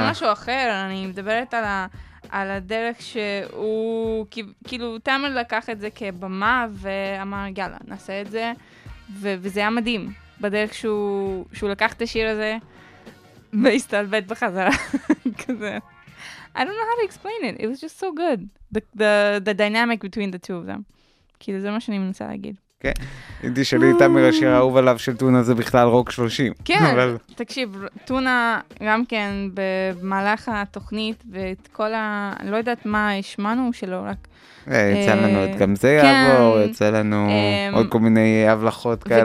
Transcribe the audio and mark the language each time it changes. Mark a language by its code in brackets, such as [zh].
[he] זה משהו אחר, אני מדברת על, ה... על הדרך שהוא... כאילו, תאמר לקח את זה כבמה, ואמר, יאללה, נעשה את זה, וזה היה מדהים, בדרך שהוא לקח את השיר הזה, והסתלבט בחזרה, כזה. [en] I don't know how to explain it. It was just so good. The dynamic between the two of them. [he] כאילו, זה מה שאני מנסה להגיד. כן. אם תשאלי איתה מראשי האהוב עליו של טונה, זה בכלל רוק 30. כן. תקשיב, טונה גם כן במהלך התוכנית, ואת כל ה... אני לא יודעת מה השמענו שלו, רק... יצא לנו עוד גם זה יעבור, יצא לנו עוד כל מיני הבלחות כאלה.